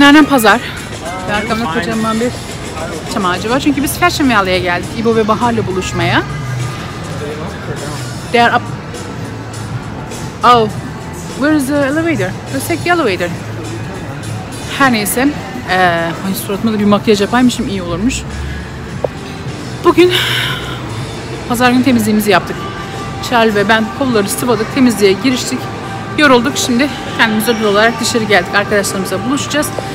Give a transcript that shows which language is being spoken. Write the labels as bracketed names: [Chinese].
[Turkish] Pazar. Ve arkamda kocaman bir yapacağım acaba? Çünkü biz Fashion Valley'e geldik İbo ve Bahar'la buluşmaya. [English] They're up. Oh, where is the elevator? Let's take the elevator. [Turkish] Her neyse, suratıma da bir makyaj yapaymışım, iyi olurmuş. Bugün pazar günü temizliğimizi yaptık. Charlie ve ben kolları sıvadık, temizliğe giriştik. Yorulduk, şimdi kendimiz özel olarak dışarı geldik. Arkadaşlarımızla buluşacağız.